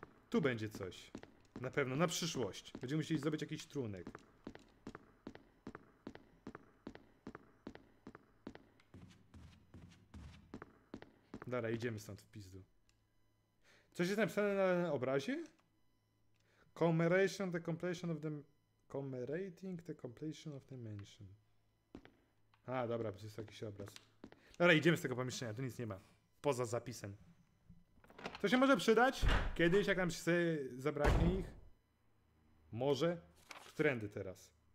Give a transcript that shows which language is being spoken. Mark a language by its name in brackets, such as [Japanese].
[Polish] Tu będzie coś. Na pewno, na przyszłość. Będziemy musieli zdobyć jakiś trunek. Dobra, idziemy stąd w pizdu. Coś jest napisane na obrazie? [English] Commemoration the completion of the... Commemorating the completion of the mansion. [Polish] A, dobra, to jest jakiś obraz. Dobra, idziemy z tego pomieszczenia, tu nic nie ma. Poza zapisem. To się może przydać? Kiedyś, jak nam się zabraknie ich? Może? Trendy teraz.